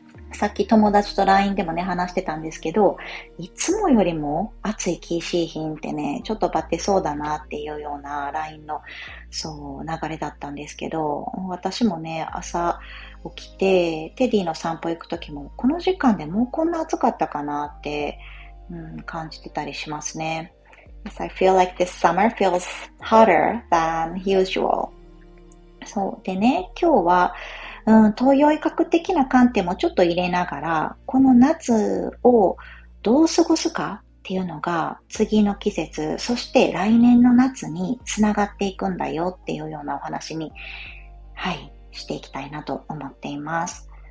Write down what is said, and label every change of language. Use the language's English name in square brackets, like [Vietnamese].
[Japanese] さっき友達と LINE でもね話してたんですけど、いつもよりも暑い厳しい日ってね、ちょっとバテそうだなっていうような LINE のそう流れだったんですけど、私もね朝起きてテディの散歩行く時もこの時間でもうこんな暑かったかなって、感じてたりしますね。 [English] Yes, I feel like this summer feels hotter than usual. [Japanese] そうでね、今日は、東洋医学的な観点もちょっと入れながら、この夏をどう過ごすかっていうのが次の季節、そして来年の夏につながっていくんだよっていうようなお話に、はい、していきたいなと思っています。